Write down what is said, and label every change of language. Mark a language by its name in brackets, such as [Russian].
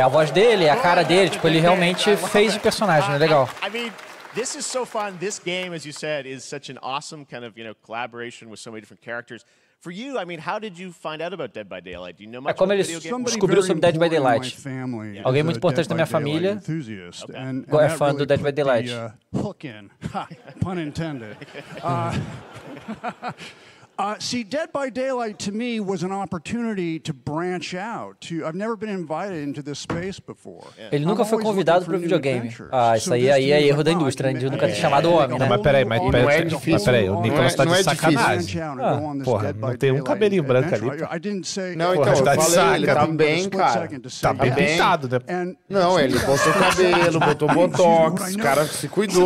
[Portuguese] a voz dele, a cara dele, tipo, ele realmente fez o personagem, né? Legal. [English] This is so fun. This game, as you said, is such an awesome kind of, you know, collaboration with so many different characters. For you, I mean, how did you find out about Dead by Daylight? Do you know much about video games? [Portuguese] Descobriu sobre Dead by Daylight. Alguém muito importante da minha família. Okay. É fã do Dead by Daylight. [English] Hook in. Pun intended. See, Dead by Daylight to me was an opportunity to branch out. I've never been invited into this space before. [Portuguese] Ele nunca foi convidado para o videogame. Ah, isso aí é erro da indústria, de nunca ter chamado o homem, né? Mas peraí, não é difícil. O Nicolas está de sacanagem. Porra, não tem um cabelinho branco ali. Não, então, eu falei, ele tá bem, cara. Tá bem pintado, né? Não, ele botou cabelo, botou botox, o cara se cuidou.